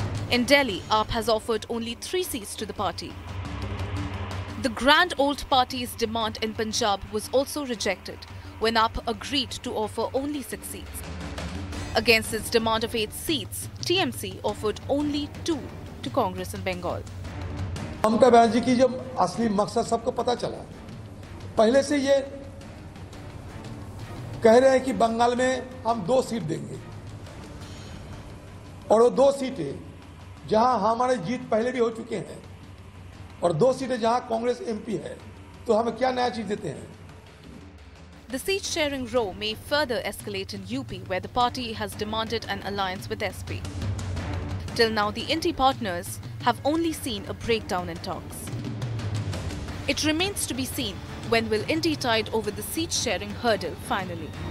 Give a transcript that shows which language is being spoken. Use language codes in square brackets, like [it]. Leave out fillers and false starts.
[en] In Delhi, AAP has offered only 3 seats to the party. The grand old party's demand in Punjab was also rejected when AAP agreed to offer only 6 seats. Against its demand of 8 seats, TMC offered only 2 to Congress in Bengal. [hi] Mamata Banerjee की जब असली मकसद सबको पता चला, पहले से ये कह रहे हैं कि बंगाल में हम दो सीट देंगे और वो दो सीटें जहां हमारे जीत पहले भी हो चुके हैं और दो सीटें जहां कांग्रेस एमपी है, तो हमें क्या नया चीज देते हैं? [en] The seat sharing row may further escalate in UP, where the party has demanded an alliance with SP. Till now, the Inti partners have only seen a breakdown in talks. It remains to be seen when will Inti tide over the seat sharing hurdle finally.